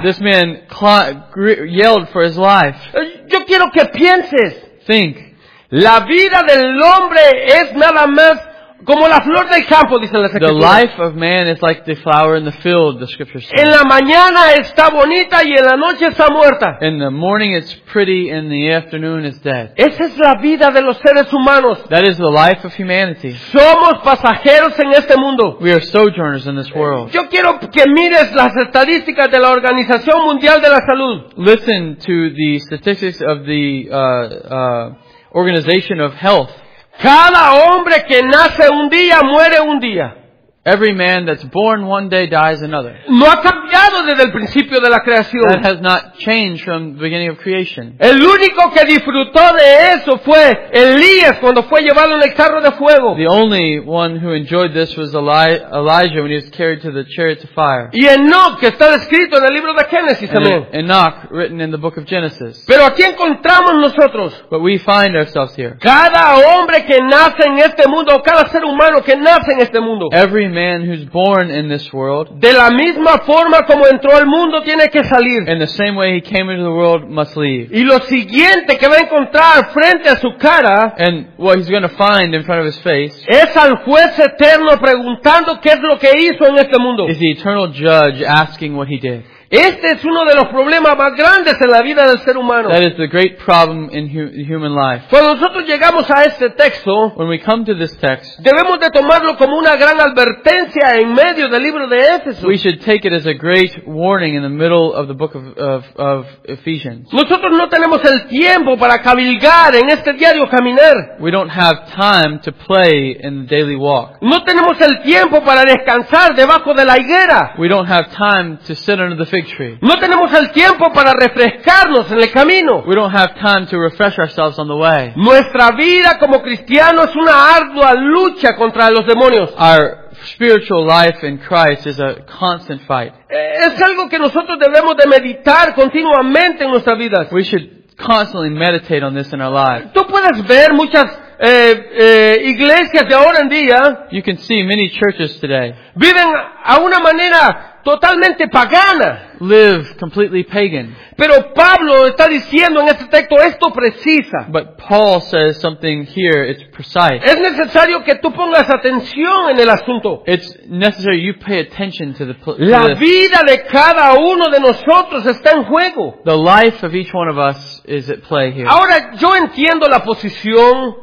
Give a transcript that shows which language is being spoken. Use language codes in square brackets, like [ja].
[en] This man yelled for his life. [es] Yo quiero que pienses. [en] Think. [es] La vida del hombre es nada más como la flor del campo, dice la Escritura. [en] The life of man is like the flower in the field, the Scripture says. [es] En la mañana está bonita y en la noche está muerta. [en] In the morning it's pretty, in the afternoon it's dead. [es] Esa es la vida de los seres humanos. [en] That is the life of humanity. [es] Somos pasajeros en este mundo. [en] We are sojourners in this world. [es] Yo quiero que mires las estadísticas de la Organización Mundial de la Salud. [en] Listen to the statistics of the Organization of Health. [es] Cada hombre que nace un día muere un día. [en] Every man that's born one day dies another. [es] No ha cambiado desde el principio de la creación. [en] That has not changed from the beginning of creation. [es] El único que disfrutó de eso fue Elías cuando fue llevado en el carro de fuego. [en] The only one who enjoyed this was Elijah when he was carried to the chariots of fire. [es] Y Enoch, que está descrito en el libro de Génesis también. [en] Enoch, written in the book of Genesis. [es] Pero aquí encontramos nosotros. [en] But we find ourselves here. [es] Cada hombre que nace en este mundo, o cada ser humano que nace en este mundo. [en] Every man who's born in this world, [es] de la misma forma como entró al mundo, tiene que salir. [en] In the same way he came into the world, must leave. [es] Y lo siguiente que va a encontrar frente a su cara, [en] and what he's going to find in front of his face, [es] es al juez eterno preguntando qué es lo que hizo en este mundo. [en] Is the eternal judge asking what he did. [es] Este es uno de los problemas más grandes en la vida del ser humano. [en] That is the great problem in human life. [es] Cuando nosotros llegamos a este texto, [en] when we come to this text, [es] debemos de tomarlo como una gran advertencia en medio del libro de Éfeso. [en] We should take it as a great warning in the middle of the book of Ephesians. [es] Nosotros no tenemos el tiempo para cabalgar en este diario caminar. [en] We don't have time to play in the daily walk. [es] No tenemos el tiempo para descansar debajo de la higuera. [en] We don't have time to sit under the fig tree. [es] No tenemos el tiempo para refrescarnos en el camino. [en] We don't have time to refresh ourselves on the way. [es] Nuestra vida como cristiano es una ardua lucha contra los demonios. [en] Our spiritual life in Christ is a constant fight. [es] Es algo que nosotros debemos de meditar continuamente en nuestras vidas. [en] We should constantly meditate on this in our lives. [es] Tú puedes ver muchas iglesias de ahora en día. [en] You can see many churches today. [es] Viven a una manera totalmente pagana. [en] Live completely pagan. [es] Pero Pablo está diciendo en este texto esto precisa. [en] But Paul says something here, it's precise. [es] Es necesario que tú pongas atención en el asunto. [en] It's necessary you pay attention to the [es] La vida de cada uno de nosotros está en juego. [en] The life of each one of us is at play here. [es] Ahora yo entiendo la posición.